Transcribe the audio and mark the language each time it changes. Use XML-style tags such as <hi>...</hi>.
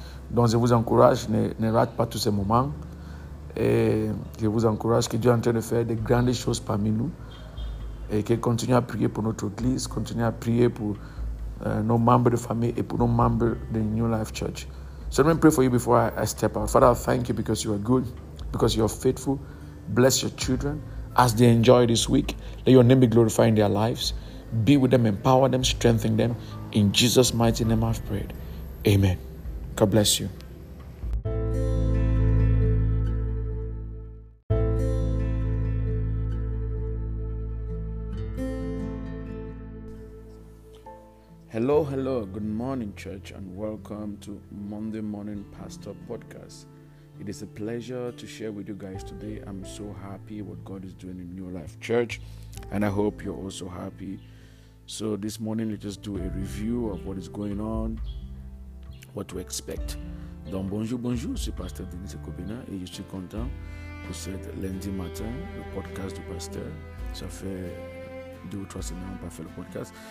<fr>Donc, je vous encourage, ne rate pas tous ces moments. Et je vous encourage que Dieu est en train de faire de grandes choses parmi nous et qu'il continue à prier pour notre église, continue à prier pour nos membres de famille et pour nos membres de New Life Church.</fr> <en>So let me pray for you before I step out. Father, I thank you because you are good, because you are faithful. Bless your children as they enjoy this week. Let your name be glorified in their lives. Be with them, empower them, strengthen them. In Jesus' mighty name I've prayed. Amen. God bless you. Hello, hello, good morning, church, and welcome to Monday Morning Pastor Podcast. It is a pleasure to share with you guys today. I'm so happy what God is doing in New Life Church, and I hope you're also happy. So this morning, let's just do a review of what is going on, what to expect.</en> <fr>Donc, bonjour, bonjour, c'est Pasteur Denis Ekobina, et je suis content pour cette lundi matin, le podcast du pasteur. Ça fait 2 or 3 semaines, pas fait le podcast.</fr>